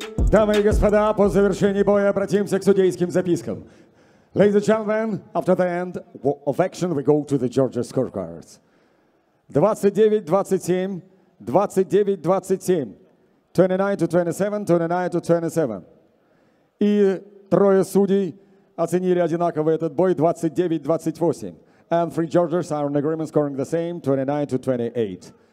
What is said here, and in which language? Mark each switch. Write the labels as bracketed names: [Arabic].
[Russian] Дамы и господа, по завершении боя обратимся к судейским запискам. [English] Ladies and gentlemen, after the end of action, we go to the Georgia scorecards. 29-27, 29-27, 29-27, 29-27. [Russian] И трое судей оценили одинаково этот бой, 29-28. [English] And three judges are in agreement, scoring the same, 29-28.